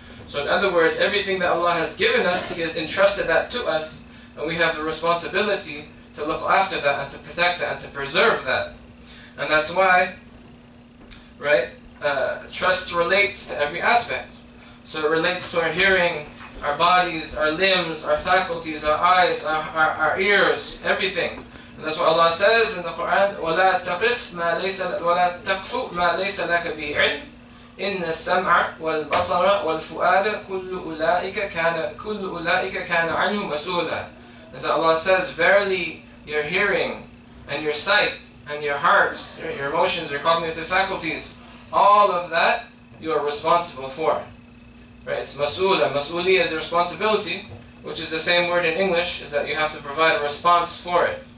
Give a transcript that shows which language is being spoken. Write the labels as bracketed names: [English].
[English] So in other words, everything that Allah has given us, He has entrusted that to us, and we have the responsibility to look after that, and to protect that, and to preserve that. And that's why, right, trust relates to every aspect. So it relates to our hearing, our bodies, our limbs, our faculties, our eyes, our ears, everything. And that's what Allah says in the Quran, [Arabic] وَلَا تَقِفْ مَا لَيْسَ وَلَا تَقْفُ مَا لَيْسَ لَكَ بِهِ عِلْمٍ إِنَّ السَّمْعَ وَالْبَصَرَ وَالْفُؤَادَ كُلُّ أُولَٰئِكَ كَانَ عَنْهُ مَسُؤُولًا. [English] And so Allah says, verily, your hearing and your sight and your hearts, your emotions, your cognitive faculties, all of that you are responsible for. Right, it's mas'ula. Mas'uliyya is a responsibility, which is the same word in English, is that you have to provide a response for it.